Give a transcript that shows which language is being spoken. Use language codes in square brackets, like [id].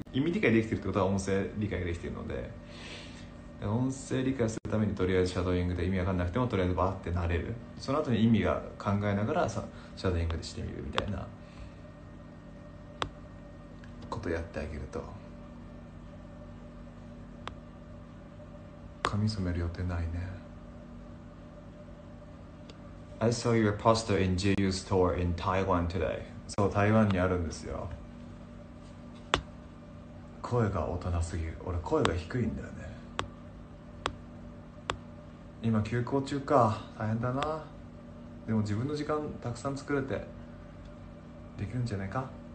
[ja] 意味理解できてるってことは音声理解できてるので、音声理解するためにとりあえずシャドーイングで意味わかんなくてもとりあえずバーってなれる、その後に意味が考えながらさシャドーイングでしてみるみたいなことやってあげると、髪染める予定ないね。 [en] I saw your poster in JU store in Taiwan today. [ja] そう、台湾にあるんですよ。声が大人すぎる。俺声が低いんだよね。今休校中か、大変だな。でも自分の時間たくさん作れてできるんじゃないか。